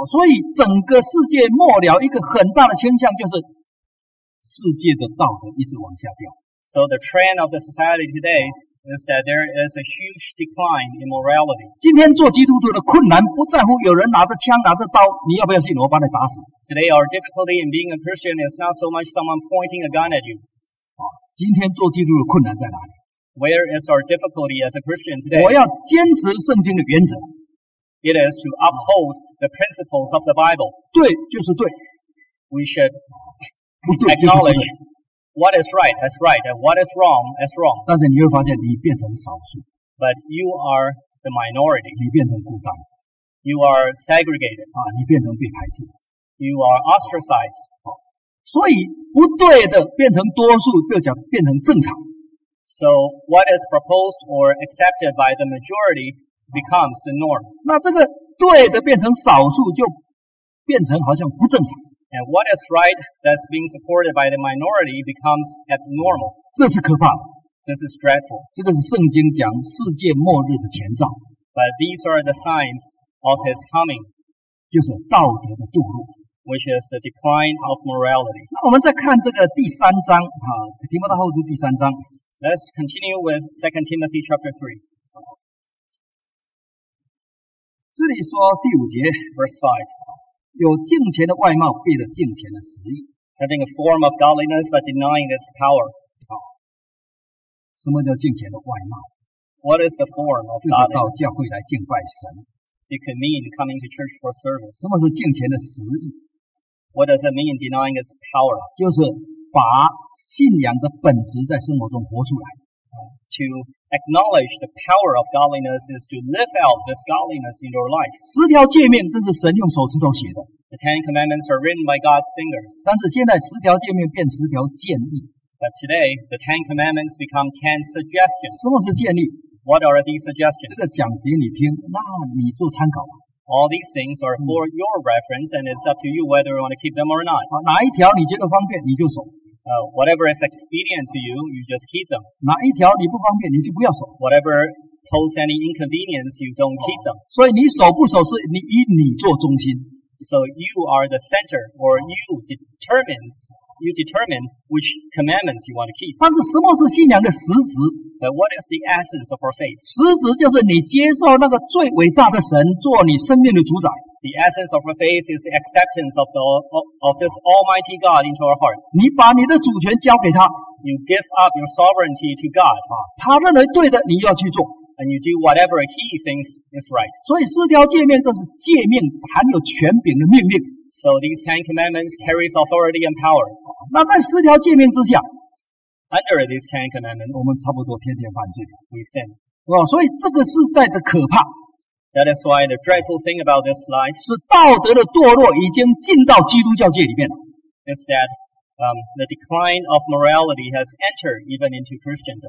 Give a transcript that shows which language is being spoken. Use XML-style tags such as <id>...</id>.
<zh>所以整个世界末了一个很大的倾向就是世界的道德一直往下掉。</zh> <en>So the trend of the society today is that there is a huge decline in morality.</en> <zh>今天做基督徒的困难不在乎有人拿着枪拿着刀，你要不要信我把你打死。</zh> <en>Today our difficulty in being a Christian is not so much someone pointing a gun at you.</en> <zh>今天做基督徒的困难在哪里？</zh> <en>Where is our difficulty as a Christian today?</en> <zh>我要坚持圣经的原则。</zh> <en>It is to uphold the principles of the Bible.</en> <zh>对就是对。</zh> <en>We should acknowledge what is right as right and what is wrong as wrong.</en> <zh>但是你会发现你变成少数。</zh> <en>But you are the minority.</en> <zh>你变成孤单。</zh> <en>You are segregated.</en> <zh>你变成被排斥。</zh> <en>You are ostracized.</en> <zh>所以不对的变成多数，就讲变成正常。</zh> <en>So what is proposed or accepted by the majority becomes the norm.</en> <zh>那这个对的变成少数，就变成好像不正常。</zh> <en>And what is right that's being supported by the minority becomes abnormal.</en> <zh>这是可怕的。</zh> <en>This is dreadful.</en> <zh>这个是圣经讲世界末日的前兆。</zh> <en>But these are the signs of his coming.</en> <zh>就是道德的堕落。</zh> <en>Which is the decline of morality.</en> <zh>那我们再看这个第三章，提摩太后书第三章。</zh> <en>Let's continue with 2 Timothy chapter 3.</en> <zh>这里说第五节</zh> <en>,verse 5,</en> <zh>有敬虔的外貌，避了敬虔的实意。</zh> <en>Having a form of godliness, but denying its power.</en> <zh>什么叫敬虔的外貌？</zh> <en>What is the form of godliness?</en> <zh>就是到教会来敬拜神。</zh> <en>It could mean coming to church for service.</en> <zh>什么是敬虔的实意？</zh> <en>What does it mean denying its power?</en> <zh>就是把信仰的本质在生活中活出来。</zh> <en>To acknowledge the power of godliness is to live out this godliness in your life.</en> <zh>十条诫命，这是神用手指头写的。</zh> <en>The Ten Commandments are written by God's fingers.</en> <zh>但是现在十条诫命变十条建议。</zh> <en>But today, the Ten Commandments become Ten Suggestions.</en> <zh>什么是建议？</zh> <en>What are these suggestions?</en> <zh>这个讲给你听，那你做参考吧。</zh> <en>All these things are for your reference, and it's up to you whether you want to keep them or not.</en> <zh>哪一条你觉得方便，你就守。</zh> <en>Whatever is expedient to you, you just keep them.</en> <zh>哪一条你不方便，你就不要守。</zh> <en>Whatever poses any inconvenience, you don't keep them.</en> <zh>所以你守不守是你以你做中心。</zh> <en>So you are the center, or you determine which commandments you want to keep.</en> <zh>但是什么是信仰的实质？</zh> <en>But what is the essence of our faith?</en> <zh>实质就是你接受那个最伟大的神做你生命的主宰。</zh> <en>The essence of our faith is the acceptance of this Almighty God into our heart.</en> <zh>你把你的主权交给他。</zh> <en>You give up your sovereignty to God.</en> <zh>他认为对的，你要去做。</zh> <en>And you do whatever he thinks is right.</en> <zh>所以四条诫命，这是诫命，含有权柄的命令。</zh> <en>So these Ten Commandments carries authority and power.</en> <zh>那在四条诫命之下，</zh> <en>Under these Ten Commandments,</en> <zh>我们差不多天天犯罪。</zh> <en>We sin.</en> <zh>所以这个时代的可怕。</zh> <en>That is why the dreadful thing about this life</en> <zh>是道德的堕落已经进到基督教界里面了。</zh> <en>Is that the decline of morality has entered even into Christendom.</en>